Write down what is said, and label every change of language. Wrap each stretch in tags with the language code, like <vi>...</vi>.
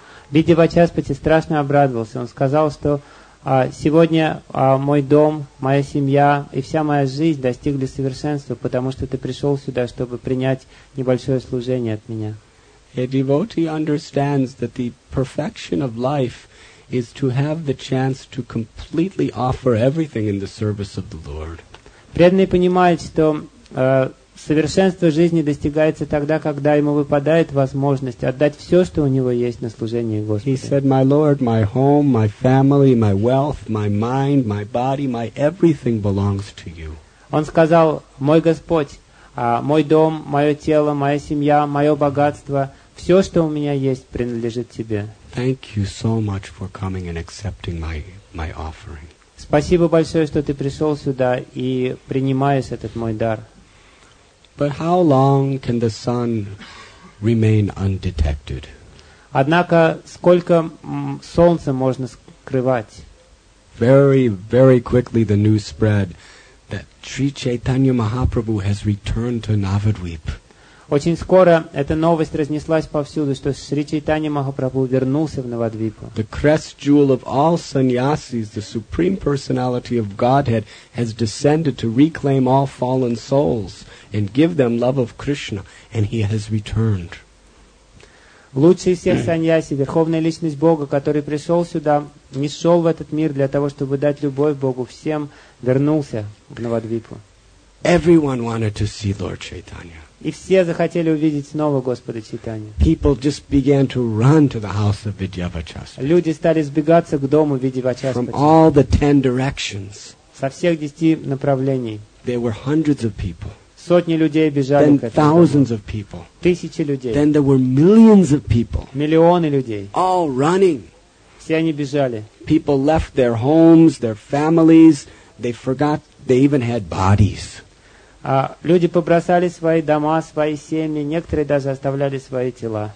<ru>Vidya Vachaspati страшно обрадовался. Он сказал, что сегодня мой дом, моя семья и вся моя жизнь достигли совершенства, потому что ты пришел сюда, чтобы принять небольшое служение от меня.</ru> <en>A devotee understands that the perfection of life is to have the chance to completely offer everything in the service of the Lord.</en> <ru>Преданный понимает, что совершенство жизни достигается тогда, когда ему выпадает возможность отдать все, что у него есть, на служение Господу.</ru> <en>He said, "My Lord, my home, my family, my wealth, my mind, my body, my everything belongs to you."</en> <ru>Он сказал: "Мой Господь, мой дом, мое тело, моя семья, мое богатство, все, что у меня есть, принадлежит тебе."</ru> <en>Thank you so much for coming and accepting my offering.</en> <ru>Спасибо большое, что ты пришел сюда и принимаешь этот мой дар.</ru> <en>But how long can the sun remain undetected?</en> <ru>Однако сколько солнца можно скрывать?</ru> <en>Very, very quickly the news spread that Sri Chaitanya Mahaprabhu has returned to Navadvip.</en> <ru>Очень скоро эта новость разнеслась повсюду, что Шри Чайтанья Махапрабху вернулся в Навадвипу.</ru> <en>The crest jewel of all sannyasis, the supreme personality of Godhead, has descended to reclaim all fallen souls and give them love of Krishna, and he has returned.</en> <ru>Лучший из всех саньяси, верховная личность Бога, который пришел сюда, не шел в этот мир для того, чтобы дать любовь Богу всем, вернулся в Навадвипу.</ru> <en>Everyone wanted to see Lord Chaitanya.</en> <ru>И все захотели увидеть снова Господа Чайтанью.</ru> <en>People just began to run to the house of Vidya Vachaspati.</en> <ru>Люди стали сбегаться к дому Vidya Vachaspati.</ru> <en>From all the 10 directions.</en> <ru>Со всех 10 направлений.</ru> <en>There were hundreds of people.</en> <ru>Сотни людей бежали</ru> <en>Then</en> <ru>к этому</ru> <en>thousands</en> <ru>дому.</ru> <en>Of people.</en> <ru>Тысячи людей.</ru> <en>Then there were millions of people.</en> <ru>Миллионы людей.</ru> <en>All running.</en> <ru>Все они бежали.</ru> <en>People left their homes, their families. They forgot they even had bodies.</en> <ru>Люди побросали свои дома, свои семьи, некоторые даже оставляли свои тела.</ru>